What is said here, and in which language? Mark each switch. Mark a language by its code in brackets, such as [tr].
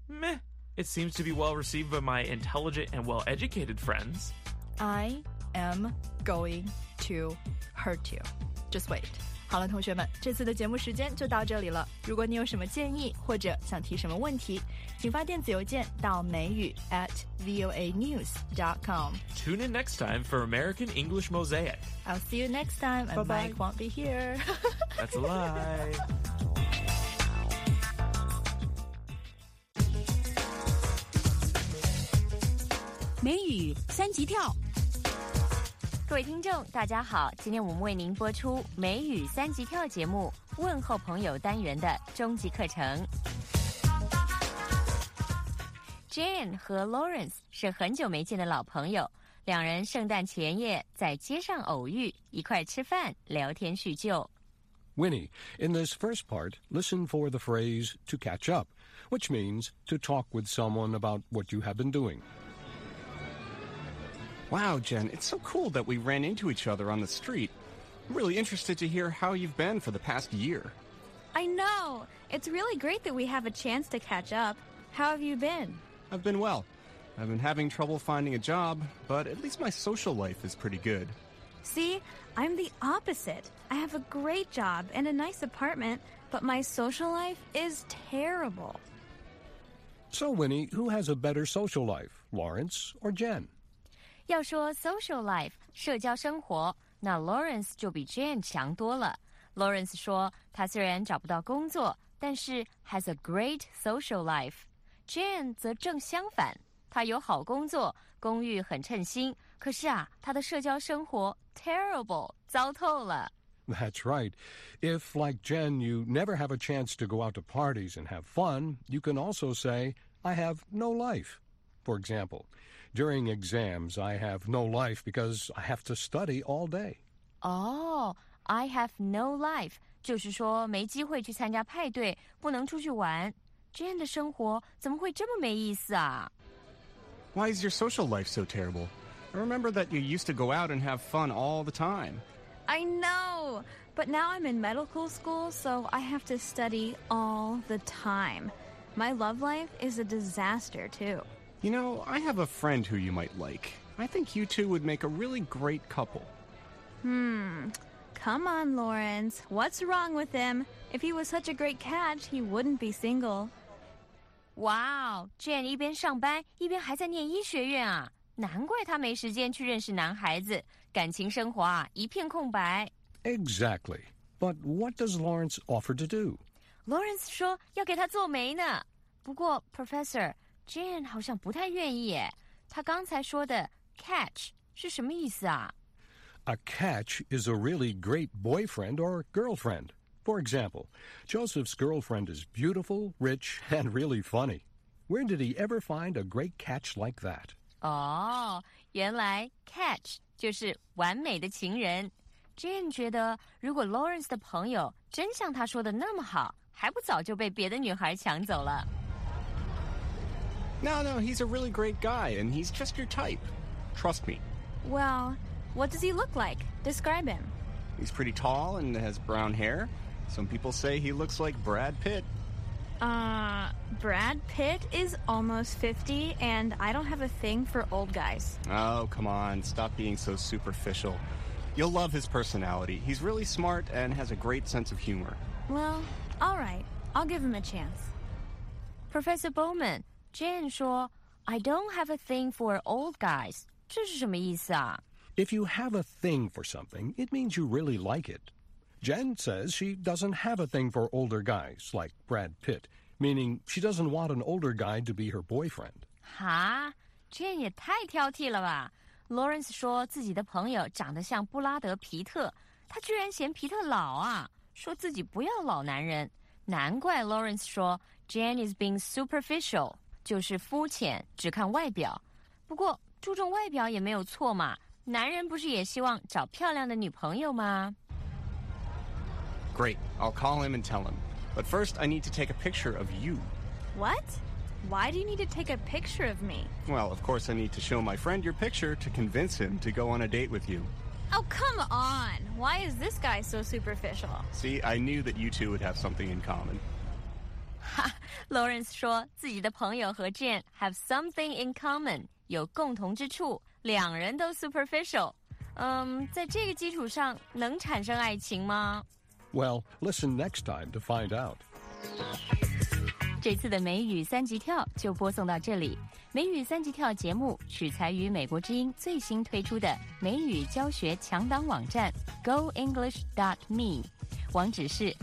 [en] Meh, it seems to be well received by my intelligent and well-educated friends. I'm going to hurt you. Just wait. [zh] 好了，同学们，这次的节目时间就到这里了。如果你有什么建议或者想提什么问题，请发电子邮件到美语@voanews.com. [en] Tune in next time for American English Mosaic. I'll see you next time, and Mike won't be here. That's a lie. [zh] 美语三级跳。各位听众大家好，今天我们为您播出美语三级跳节目问候朋友单元的终极课程。 Jane 和 Lawrence 是很久没见的老朋友，两人圣诞前夜在街上偶遇，一块吃饭聊天叙旧。 [en] Winnie, in this first part, listen for the phrase to catch up, which means to talk with someone about what you have been doing. Wow, Jen, it's so cool that we ran into each other on the street. I'm really interested to hear how you've been for the past year. I know. It's really great that we have a chance to catch up. How have you been? I've been well. I've been having trouble finding a job, but at least my social life is pretty good. See, I'm the opposite. I have a great job and a nice apartment, but my social life is terrible. So, Winnie, who has a better social life, Lawrence or Jen? [zh] 要说 social life, 社交生活，那 Lawrence 就比 Jen 强多了。 Lawrence 说他虽然找不到工作，但是 [en] has a great social life。 [zh] Jen 则正相反，他有好工作，公寓很称心，可是啊，他的社交生活 terrible, 糟透了。 [en] That's right. If, like Jen, you never have a chance to go out to parties and have fun, you can also say, I have no life. For example, during exams, I have no life because I have to study all day. Oh, I have no life. [zh] 就是说没机会去参加派对，不能出去玩。 Jen 的生活怎么会这么没意思啊？ [en] Why is your social life so terrible? I remember that you used to go out and have fun all the time. I know, but now I'm in medical school, so I have to study all the time. My love life is a disaster, too. You know, I have a friend who you might like. I think you two would make a really great couple. Come on, Lawrence. What's wrong with him? If he was such a great catch, he wouldn't be single. [zh] Wow, Jen 一边上班，一边还在念医学院啊。难怪他没时间去认识男孩子，感情生活啊一片空白。 [en] Exactly. But what does Lawrence offer to do? [zh] Lawrence 说要给他做媒呢。不过 Professor, Jen 好像不太愿意耶。他刚才说的 catch 是什么意思啊？ [en] A catch is a really great boyfriend or girlfriend. For example, Joseph's girlfriend is beautiful, rich, and really funny. Where did he ever find a great catch like that? [zh] 哦，原来 catch 就是完美的情人。 Jane 觉得，如果 Lawrence 的朋友真像他说的那么好，还不早就被别的女孩抢走了。 [en] No, no, he's a really great guy, and he's just your type. Trust me. Well, what does he look like? Describe him. He's pretty tall and has brown hair. Some people say he looks like Brad Pitt. Brad Pitt is almost 50, and I don't have a thing for old guys. Oh, come on, stop being so superficial. You'll love his personality. He's really smart and has a great sense of humor. Well, all right, I'll give him a chance. Professor Bowman, Jane [zh] 说, [en] I don't have a thing for old guys. [zh] 这是什么意思啊? [en] If you have a thing for something, it means you really like it. Jen says she doesn't have a thing for older guys, like Brad Pitt, meaning she doesn't want an older guy to be her boyfriend. [zh] 哈?Jen 也太挑剔了吧。 Lawrence 说自己的朋友长得像布拉德·皮特。他居然嫌皮特老啊,说自己不要老男人。难怪 Lawrence 说 Jen [en] is being superficial, [zh] 就是肤浅,只看外表。不过,注重外表也没有错嘛。男人不是也希望找漂亮的女朋友吗? [en] Great. I'll call him and tell him. But first, I need to take a picture of you. What? Why do you need to take a picture of me? Well, of course, I need to show my friend your picture to convince him to go on a date with you. Oh, come on. Why is this guy so superficial? See, I knew that you two would have something in common. [zh] Ha, Lawrence 说自己的朋友和 Jen [en] have something in common, [zh] 有共同之处,两人都 superficial. 在这个基础上能产生爱情吗? [en] Well, listen next time to find out. [zh] 这次的美语三级跳就播送到这里。美语三级跳节目取材于美国之音最新推出的美语教学强档网站 goenglish.me， 网址是